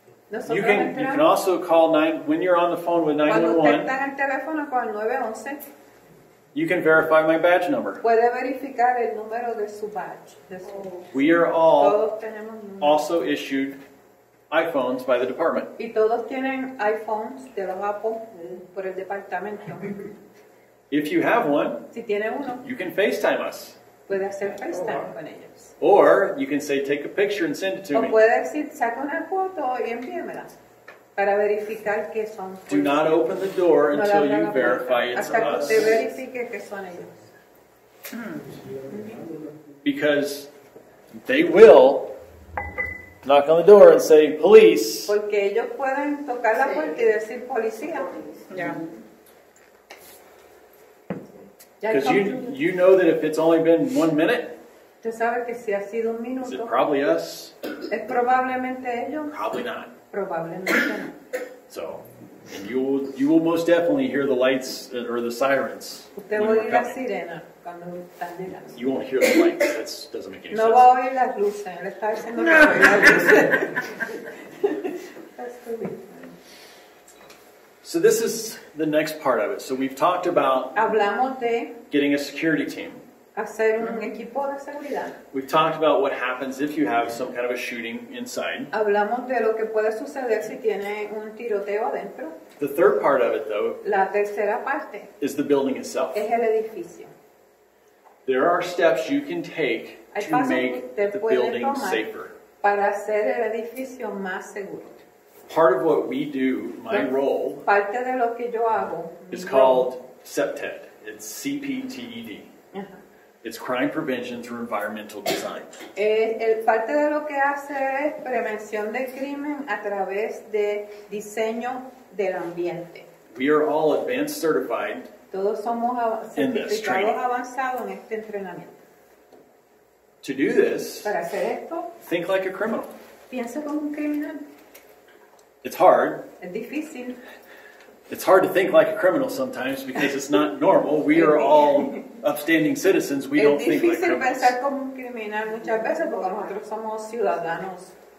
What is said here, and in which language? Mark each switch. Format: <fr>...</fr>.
<en>You can also call 9 when you're on the phone with 911.</en> <es>Cuando usted está en el teléfono con 911.</es> <en>You can verify my badge number.</en> <es>Puede verificar el número de su badge. De su badge.</es> <en>We are all also issued iPhones by the department.</en> <es>Y todos tienen iPhones de los Apple por el departamento.</es> <en>If you have one,</en> <es>si tiene uno,</es> <en>you can FaceTime us.</en> <es>Puede hacer FaceTime con ellos.</es> <en>Or you can say, take a picture and send it to</en> <es>o</es> <en>me.</en> <es>O puede decir, saca una foto y envíamela. Para verificar que son.</es> <en>Do not open the door until you verify it's</en> <es>hasta</es> <en>us.</en> <es>Que verifique que son ellos.</es> <en>Because they will knock on the door and say, police.</en> <es>Porque ellos pueden tocar la puerta y decir, policía.</es> <en>Yeah. Because you know that if it's only been 1 minute,</en> <es>¿tú sabes que si ha sido un minuto,</es> <en>is it probably us?</en> <es>¿Es probablemente ellos?</es> <en>Probably not.</en> <es>Probablemente.</es> <en>So, and you will most definitely hear the lights or the sirens.</en> <es>Usted va a oír la sirena cuando están llegando.</es> <en>You won't hear the lights. That doesn't make any sense.</en> <es>No va a oír las luces. Le está diciendo que no oye las luces.</es> <en>That's so this is the next part of it. So we've talked about</en> <es>hablamos de</es> <en>getting a security team.</en> <es>Hacer un equipo de seguridad.</es> <en>We've talked about what happens if you have some kind of a shooting inside.</en> <es>Hablamos de lo que puede suceder si tiene un tiroteo adentro.</es> <en>The third part of it, though,</en> <es>la tercera parte</es> <en>is the building itself.</en> <es>Es el edificio.</es> <en>There are steps you can take to make the building safer.</en> <es>para hacer el edificio más seguro.</es> <en>Part of what we do, my role,</en> <es>parte de lo que yo hago,</es> <en>is called CPTED. It's CPTED. Uh-huh. It's crime prevention through environmental design.</en> <es>El parte de lo que hace es prevención de crimen a través de diseño del ambiente.</es> <en>We are all advanced certified.</en> <es>Todos somos certificados avanzados en este entrenamiento.</es> <en>To do this,</en> <es>para hacer esto,</es> <en>think like a criminal.</en> <es>Piensa como un criminal.</es> <en>It's hard.</en> <es>Es difícil.</es> <en>It's hard to think like a criminal sometimes because it's not normal. We are all upstanding citizens. We don't think like criminals.</en> <es>Es difícil pensar como un criminal muchas veces porque nosotros somos ciudadanos.</es>